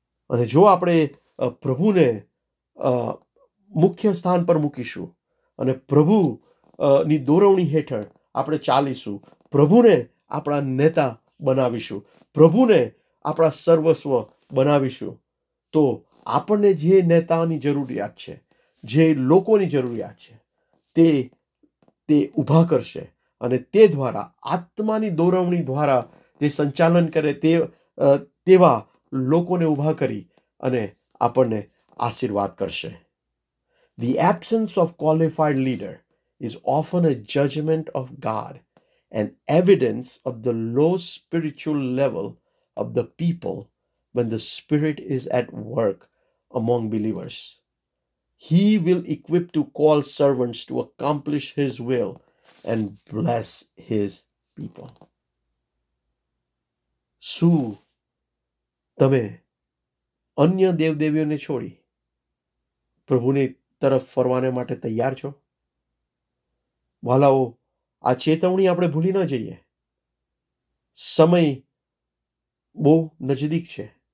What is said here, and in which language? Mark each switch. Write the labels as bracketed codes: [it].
[gu] અને જો આપણે પ્રભુને મુખ્ય સ્થાન પર મૂકીશું અને પ્રભુની દોરવણી હેઠળ આપણે ચાલીશું, પ્રભુને આપણા નેતા બનાવીશું, પ્રભુને આપણા સર્વસ્વ બનાવીશું, તો આપણને જે નેતાની જરૂરિયાત છે, જે લોકોની જરૂરિયાત છે, તે ઊભા કરશે. અને તે દ્વારા, આત્માની દોરવણી દ્વારા જે સંચાલન કરે તેવા લોકોને ઊભા કરી અને આપણને આશીર્વાદ કરશે. [en] The absence of qualified leader is often a judgment of God and evidence of the low spiritual level of the people when the Spirit is at work among believers. He will equip to call servants to accomplish His will and bless His people. [gu] શું તમે અન્ય દેવદેવીઓને છોડી પ્રભુની તરફ ફરવાને માટે તૈયાર છો? વાલાઓ, આ ચેતવણી આપણે ભૂલી ન જઈએ. સમય બહુ નજદીક છે.